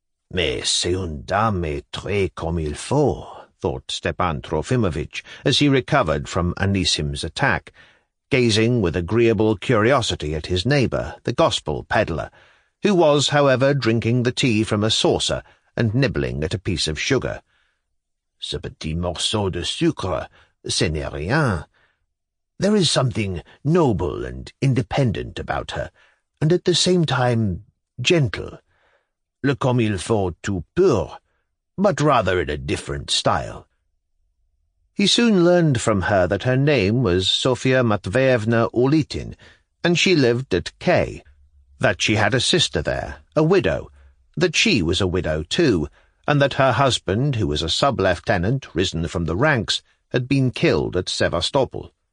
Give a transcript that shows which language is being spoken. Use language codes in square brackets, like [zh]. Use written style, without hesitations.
[fr] Mais c'est une dame très comme il faut, [en] thought Stepan Trofimovitch, as he recovered from Anisim's attack, gazing with agreeable curiosity at his neighbour, the gospel peddler, who was, however, drinking the tea from a saucer and nibbling at a piece of sugar. [fr] Ce petit morceau de sucre, ce n'est rien. [en] There is something noble and independent about her, and at the same time gentle. [fr] Le comme il faut tout pur, [en] but rather in a different style. He soon learned from her that her name was Sofia Matveyevna Ulitin, and she lived at K, that she had a sister there, a widow, that she was a widow too, and that her husband, who was a sub-lieutenant risen from the ranks, had been killed at Sevastopol.